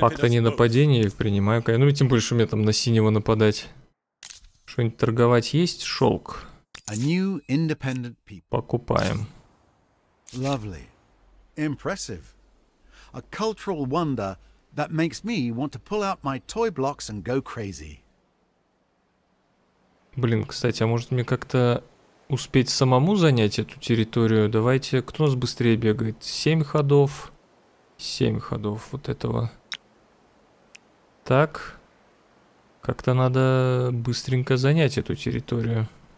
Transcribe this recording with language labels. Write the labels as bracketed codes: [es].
[ru] Пакт о ненападении принимаю. Ну и тем более, что мне там на синего нападать. Что-нибудь торговать есть? Шелк. [en] A new independent people. [ru] Покупаем. [en] Lovely. Impressive. A cultural wonder that makes me want to pull out my toy blocks and go crazy. [ru] Блин, кстати, а может мне как-то успеть самому занять эту территорию? Давайте, кто нас быстрее бегает? 7 ходов. 7 ходов вот этого. Так. Как-то надо быстренько занять эту территорию.